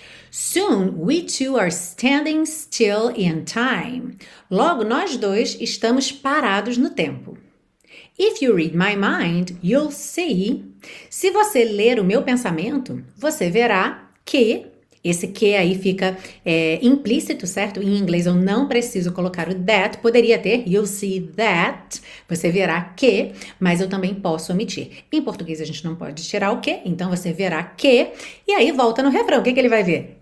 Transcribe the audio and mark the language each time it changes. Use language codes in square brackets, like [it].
[en] Soon, we two are standing still in time. [pt] Logo, nós dois estamos parados no tempo. [en] If you read my mind, you'll see. [pt] Se você ler o meu pensamento, você verá que... Esse que aí fica implícito, certo? Em inglês eu não preciso colocar o that, poderia ter [en] you'll see that, [pt] você verá que, mas eu também posso omitir. Em português a gente não pode tirar o que, então você verá que, e aí volta no refrão, o que, que ele vai ver?